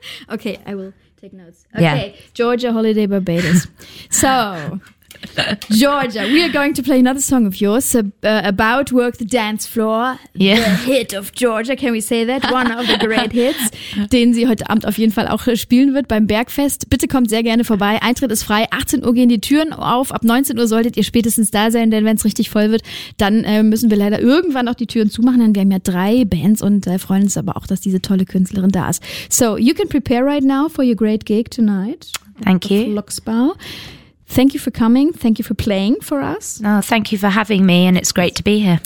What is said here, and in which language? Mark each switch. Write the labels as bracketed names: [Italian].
[English] Okay, I will take notes. Okay, yeah. Georgia holiday Barbados. So... Georgia, we are going to play another song of yours about Work the Dance Floor, the hit of Georgia, can we say that? One of the great hits, [German] den sie heute Abend auf jeden Fall auch spielen wird beim Bergfest. Bitte kommt sehr gerne vorbei, Eintritt ist frei, 18 Uhr gehen die Türen auf, ab 19 Uhr solltet ihr spätestens da sein, denn wenn es richtig voll wird, dann müssen wir leider irgendwann auch die Türen zumachen, denn wir haben ja 3 Bands und freuen uns aber auch, dass diese tolle Künstlerin da ist. [English] So, you can prepare right now for your great gig tonight. Thank you. Fluxbau. Thank you for coming. Thank you for playing for us. Oh, thank you for having me, and it's great to be here.